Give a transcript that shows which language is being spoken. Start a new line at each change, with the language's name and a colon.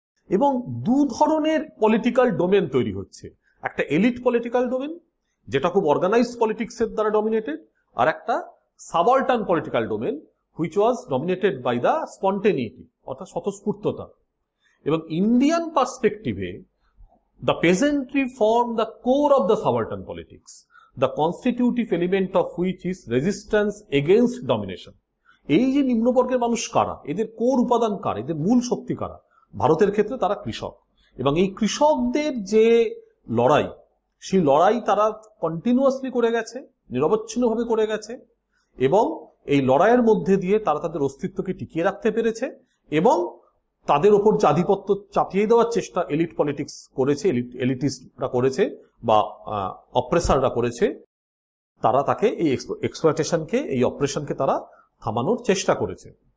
Bangla: এবং দু ধরনের পলিটিক্যাল ডোমেন তৈরি হচ্ছে, একটা এলিট পলিটিক্যাল ডোমেন যেটা খুব অর্গানাইজড পলিটিক্স এর দ্বারা ডমিনেটেড, আর একটা সাবাল্টার্ন political domain
English: which was dominated by the spontaneity,
Bangla: অর্থাৎ স্বতঃস্ফূর্ততা। এবং Indian পার্সপেক্টিভে
English: The peasantry form the core of the subaltern politics, the constitutive element of which is resistance against domination.
Bangla: এই যে নিম্নবর্গের মানুষ কারা, এদের কোর উপাদান কারা, এদের মূল শক্তি কারা, ভারতের ক্ষেত্রে তারা কৃষক। এবং এই কৃষকদের যে লড়াই, সেই লড়াই তারা কন্টিনিউয়াসলি করে গেছে, নিরবচ্ছিন্নভাবে করে গেছে, এবং এই লড়াইয়ের মধ্যে দিয়ে তারা তাদের অস্তিত্বকে টিকিয়ে রাখতে পেরেছে এবং তাদের ওপর যে আধিপত্য চাপিয়ে দেওয়ার চেষ্টা এলিট পলিটিক্স করেছে, এলিটিস্টরা করেছে বা অপ্রেসাররা করেছে, তারা তাকে এই এক্সপ্লয়টেশনকে, এই অপারেশনকে তারা থামানোর চেষ্টা করেছে।